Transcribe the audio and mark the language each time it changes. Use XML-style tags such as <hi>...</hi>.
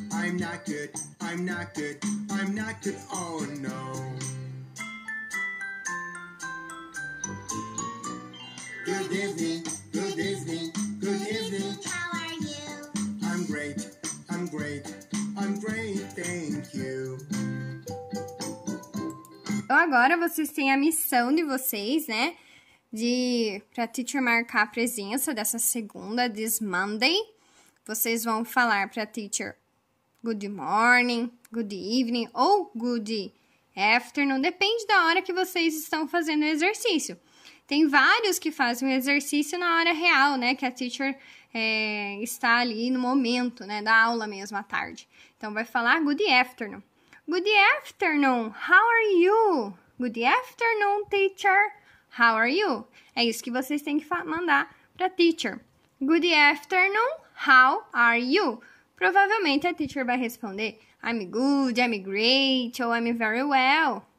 <en>I'm not good, I'm not good. I'm not good, oh no. Good evening, good evening, good evening. How are you? I'm great, I'm great, I'm great, thank you.</en> <pt>Então agora vocês têm a missão de vocês, né? De pra teacher marcar a presença dessa segunda,</pt> <en>this Monday.</en> <pt>Vocês vão falar pra teacher</pt> <en>good morning, good evening,</en> <pt>ou</pt> <en>good afternoon,</en> <pt>depende da hora que vocês estão fazendo o exercício. Tem vários que fazem o exercício na hora real, né, que a teacher está ali no momento, né, da aula mesmo, à tarde. Então, vai falar</pt> <en>good afternoon. Good afternoon, how are you? Good afternoon, teacher, how are you?</en> <pt>É isso que vocês têm que mandar para a teacher.</pt> <en>Good afternoon, how are you?</en> <pt>Provavelmente a teacher vai responder,</pt> <en>I'm good, I'm great, ou I'm very well.</en>